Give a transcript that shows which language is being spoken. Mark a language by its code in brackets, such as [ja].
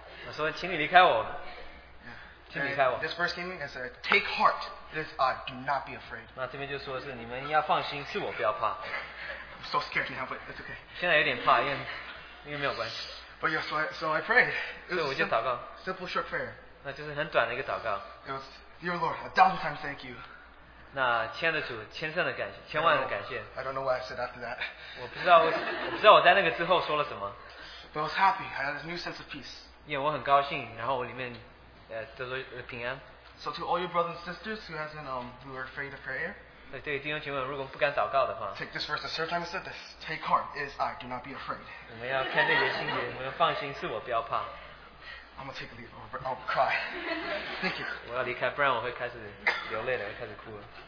[zh] 我说，请你离开我，请离开我。 [en] This verse came in and said, take heart, this I do not be afraid. [zh] 那这边就说是你们要放心，是我不要怕。 [en] I'm so scared now, but it's okay. [zh] 现在有点怕，因为没有关系。 [en] But yeah, so I prayed. It was a simple short prayer. [zh] 那就是很短的一个祷告. [en] It was, dear Lord, a thousand times thank you. [zh] 那亲爱的主，千万的感谢。 [en] I don't know what I said after that. [zh] 我不知道我在那个之后说了什么。 [en] But I was happy. I had this new sense of peace. [zh] 因为我很高兴，然后我里面得到平安。 [en] So to all your brothers and sisters who hasn't who are afraid of prayer. [zh] 对，弟兄姐妹，如果不敢祷告的话 [en] ，Take this verse the third time I said this. Take heart, it is I. Do not be afraid. [zh] 我们要看这些信念，我们要放心，是我不要怕。 [en] I'm gonna take a leave. I'll cry. Thank you. [zh] 我要离开，不然我会开始流泪了，会开始哭了。